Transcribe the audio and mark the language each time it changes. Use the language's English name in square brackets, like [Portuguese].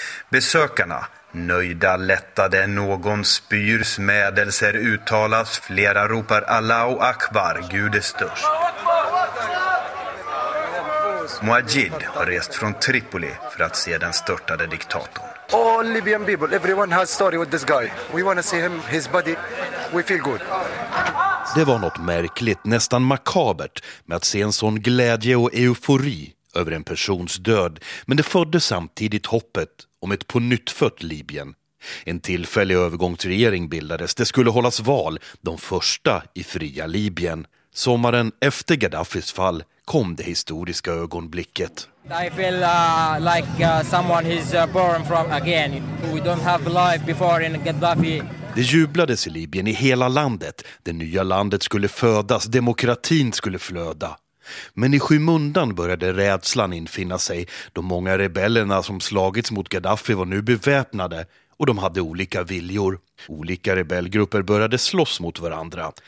[Swedish] Besökarna, nöjda, lättade, någon spyr, smädelser uttalas, flera ropar Allahu Akbar, Gud är störst. Muajid har rest från Tripoli för att se den störtade diktatorn. [English] All Libyan people, everyone has story with this guy. We want to see him, his body. We feel good. [Swedish] Det var något märkligt, nästan makabert, med att se en sån glädje och eufori över en persons död. Men det födde samtidigt hoppet om ett på nytt fött Libyen. En tillfällig övergångsregering bildades. Det skulle hållas val, de första i fria Libyen. Sommaren efter Gaddafis fall kom det historiska ögonblicket. [English] I feel like someone is born from again. We don't have life before in Gaddafi. [Swedish] Det jublades i Libyen, i hela landet. Det nya landet skulle födas, demokratin skulle flöda. Men i skymundan började rädslan infinna sig. De många rebellerna som slagits mot Gaddafi var nu beväpnade. Och de hade olika viljor. Olika rebellgrupper började slåss mot varandra.